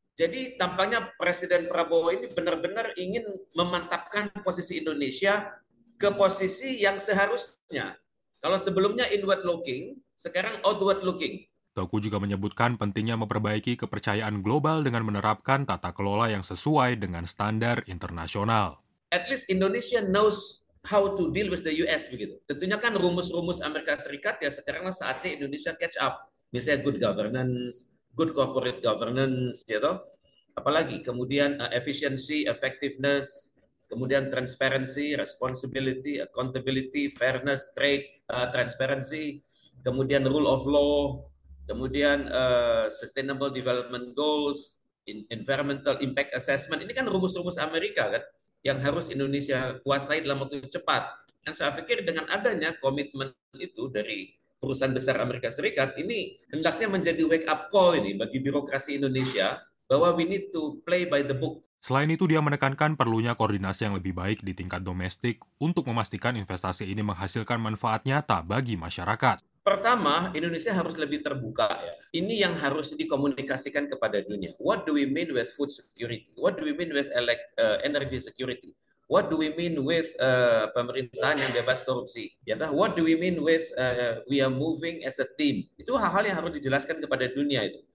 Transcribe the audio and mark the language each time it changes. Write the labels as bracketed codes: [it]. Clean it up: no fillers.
[id] Jadi tampaknya Presiden Prabowo ini benar-benar ingin memantapkan posisi Indonesia ke posisi yang seharusnya. Kalau sebelumnya inward looking, sekarang outward looking. Toku juga menyebutkan pentingnya memperbaiki kepercayaan global dengan menerapkan tata kelola yang sesuai dengan standar internasional. [en] At least Indonesia knows how to deal with the US [id] begitu. Tentunya kan rumus-rumus Amerika Serikat ya sekaranglah saatnya Indonesia catch up. [en] Misalnya good governance, good corporate governance, gitu. Apalagi kemudian efficiency, effectiveness, kemudian transparency, responsibility, accountability, fairness, trade, transparency, kemudian rule of law, kemudian sustainable development goals, environmental impact assessment. [id] Ini kan rumus-rumus Amerika kan yang harus Indonesia kuasai dalam waktu cepat. Dan saya pikir dengan adanya komitmen itu dari perusahaan besar Amerika Serikat, ini hendaknya menjadi wake up call ini bagi birokrasi Indonesia bahwa [en] we need to play by the book. [id] Selain itu, dia menekankan perlunya koordinasi yang lebih baik di tingkat domestik untuk memastikan investasi ini menghasilkan manfaat nyata bagi masyarakat. Pertama, Indonesia harus lebih terbuka. Ini yang harus dikomunikasikan kepada dunia. [en] What do we mean with food security? What do we mean with energy security? What do we mean with [id] pemerintahan yang bebas korupsi? [en] What do we mean with we are moving as a team? [id] Itu hal-hal yang harus dijelaskan kepada dunia itu.